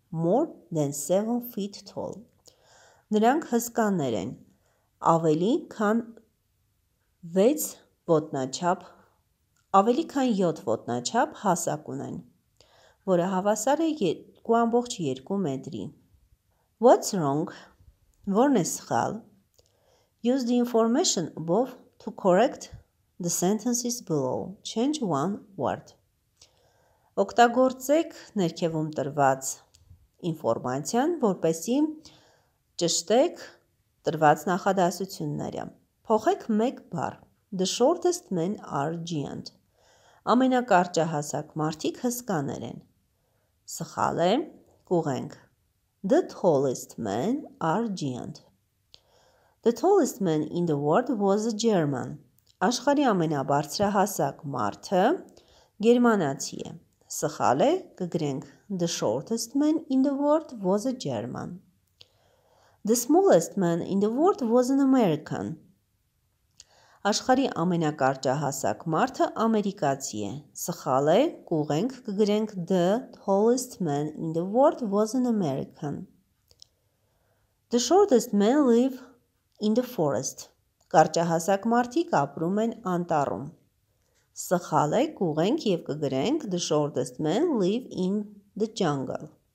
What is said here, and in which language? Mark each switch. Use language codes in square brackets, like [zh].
[en] More than 7 feet tall. [hy] Նրանք հսկաներ են, ավելի քան 6 ոտնաչափ, ավելի քան 7 ոտնաչափ հասակ ունեն, որը հավասար է 2.2 մետրի։ [en] What's wrong? [hy] Որն է սխալ? [en] Use the information above to correct the sentences below. Change one word. [hy] Օգտագործեք ներքևում տրված ինֆորմացիան, որպեսզի ճշտեք տրված նախադասությունները։ Փոխեք մեկ բառ. [en] The shortest men are giant. [hy] Ամենակարճահասակ մարդիկ հսկաներ են։ Սխալ է, կուղենք։ [en] The tallest men are giant. The tallest man in the world was a German. [hy] Աշխարհի ամենաբարձրահասակ մարդը գերմանացի է։ Սխալ է, կգրենք [en] The shortest man in the world was a German. The smallest man in the world was an American. [hy] Աշխարհի ամենակարճահասակ մարդը ամերիկացի է։ Սխալ է, կուղենք, կգրենք [en] The tallest man in the world was an American. The shortest men live in the forest. [hy] Կարճահասակ մարդիկ ապրում են անտառում։ Սխալ է, կուղենք եւ կգրենք [en] The shortest men live in the jungle.